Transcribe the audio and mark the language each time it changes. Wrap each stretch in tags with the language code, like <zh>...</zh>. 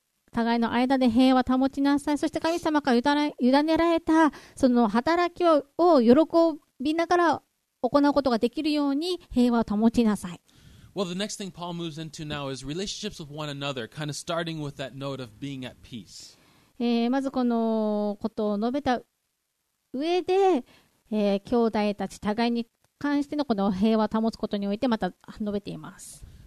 <ja>互いの間で平和を保ちなさい。そして神様から委ねられたその働きを喜びながら行うことができるように平和を保ちなさい。</ja> <en>Well, the next thing Paul moves into now is relationships with one another, kind of starting with that note of being at peace.</en> <ja>まずこのことを述べた上で、兄弟たち互いに関してのこの平和を保つことにおいてまた述べています。</ja>